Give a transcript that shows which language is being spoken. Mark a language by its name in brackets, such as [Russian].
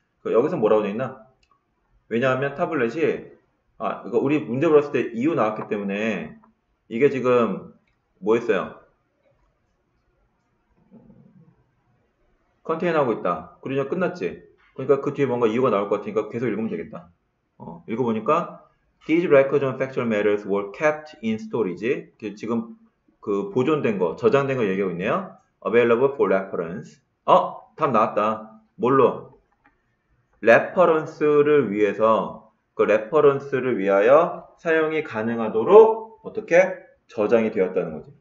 [Korean] 여기서 뭐라고 돼 있나? 왜냐하면 타블렛이, 이거 우리 문제 풀었을 때 이유 나왔기 때문에 이게 지금 뭐 했어요? 컨테이너하고 있다. 그러니까 끝났지. 그러니까 그 뒤에 뭔가 이유가 나올 것 같으니까 계속 읽으면 되겠다. 읽어보니까 [English] These records and factual matters were kept in storage. [Korean] 지금 그 보존된 거, 저장된 거 얘기하고 있네요. [English] Available for reference. [Korean] 답 나왔다. 뭘로? 레퍼런스를 위해서, 그 레퍼런스를 위하여 사용이 가능하도록 어떻게 저장이 되었다는 거지.